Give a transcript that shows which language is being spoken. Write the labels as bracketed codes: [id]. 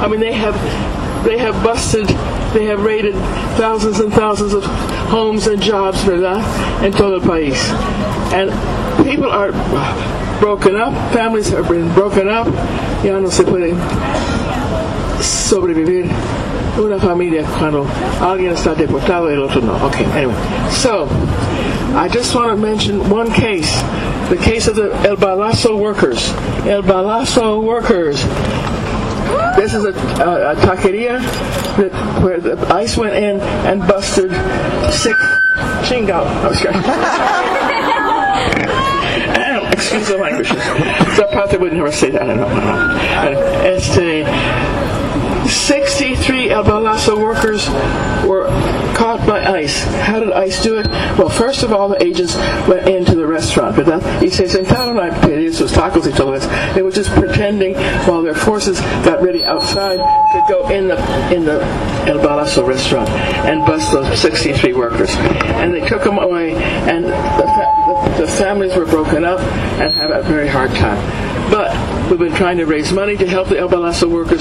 [en] I mean, they have busted, they have raided thousands and thousands of homes and jobs, [es] ¿verdad? En todo el país. [en] And people are broken up, families have been broken up. [es] Ya no se puede sobrevivir una familia cuando alguien está deportado y el otro no. [en] Okay, anyway. So, I just want to mention one case. The case of the El Balazo workers. El Balazo workers. This is a taqueria that where the ICE went in and busted six chingo. Excuse the language. So I probably would never say that. I don't know. 63 El Balazo workers were caught by ICE. How did ICE do it? Well, first of all, the agents went into the restaurant, ¿verdad? [es] Y se sentaron a pedir sus tacos y todo eso. [en] They were just pretending while their forces got ready outside to go in the El Balazo restaurant and bust those 63 workers. And they took them away, and the families were broken up and had a very hard time. But we've been trying to raise money to help the El Balazo workers.